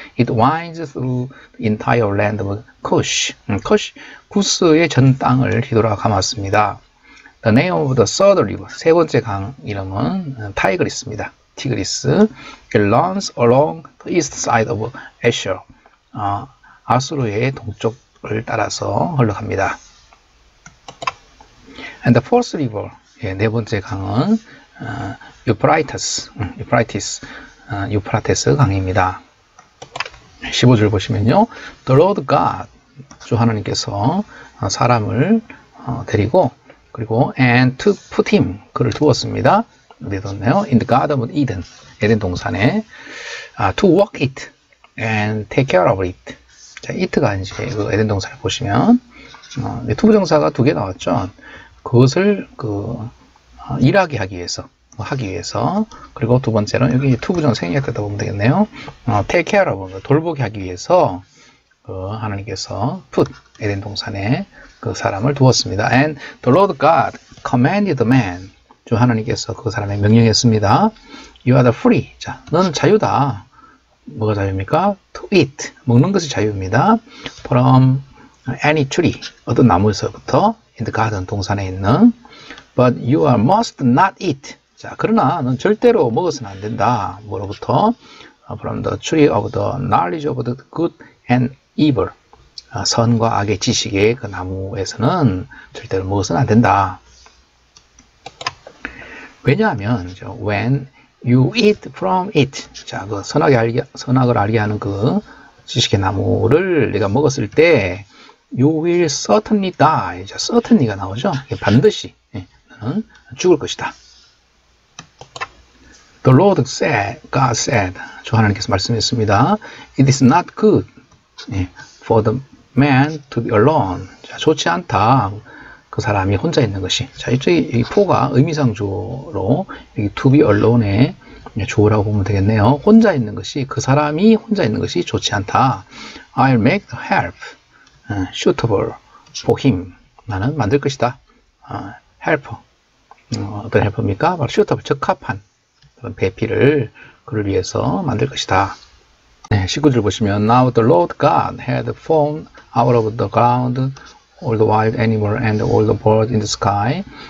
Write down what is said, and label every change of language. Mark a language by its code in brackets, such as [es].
[en] It winds through the entire land of Cush. [ko] Cush 구스의 전 땅을 뒤돌아 감았습니다. [en] The name of the third river, [ko] 세 번째 강 이름은 [en] Tigris입니다. Tigris. It runs along the east side of Asher. [ko] 아수르의 동쪽을 따라서 흘러갑니다. [en] And the fourth river, [ko] 예, 네 번째 강은 Euphrates 강입니다. 15절 보시면요. The Lord God, 주 하나님께서 사람을 데리고 그리고 [en] and to put him, [ko] 그를 두었습니다. 내뒀네요. [en] In the garden of Eden, [ko] 에덴 동산에 [en] to walk it and take care of it. [ko] 자, it가 이제 그 에덴 동산을 보시면 to 부정사가 두 개 나왔죠. 그것을 그 일하게 하기 위해서 그리고 두 번째는 여기 to 부정 생략되다 보면 되겠네요. Take care of, 돌보게 하기 위해서 그 하나님께서 put, 에덴 동산에 그 사람을 두었습니다. [en] And the Lord God commanded the man. [ko] 주 하나님께서 그 사람에게 명령했습니다. [en] You are the free. [ko] 자, 넌 자유다. 뭐가 자유입니까? [en] To eat. [ko] 먹는 것이 자유입니다. [en] From any tree. 어떤 나무에서부터. In the garden [ko] 동산에 있는. [en] But you are must not eat. [ko] 자, 그러나 넌 절대로 먹어서는 안 된다. 뭐로부터? [en] From the tree of the knowledge of the good and evil. [ko] 선과 악의 지식의 그 나무에서는 절대로 먹어서는 안 된다. 왜냐하면 [en] when you eat from it, [ko] 자, 그 선악을 알게 하는 그 지식의 나무를 네가 먹었을 때 [en] you will certainly die. [ko] 자, certainly가 나오죠. 반드시 너는 죽을 것이다. [en] The Lord said, God said, [ko] 주 하나님께서 말씀했습니다. [en] It is not good for the man to be alone. [ko] 자, 좋지 않다. 그 사람이 혼자 있는 것이. 자, 이쪽에 이 포가 의미상 주어로 여기 to be alone의 주어라고 보면 되겠네요. 혼자 있는 것이, 그 사람이 혼자 있는 것이 좋지 않다. [en] I'll make the help suitable for him. [ko] 나는 만들 것이다. Helper. 어떤 helper입니까? 바로 슈터, 적합한 그런 배필을 그를 위해서 만들 것이다. 네, 19절 보시면 [en] Now the Lord God had formed out of the ground all the wild animal and all the bird in the sky.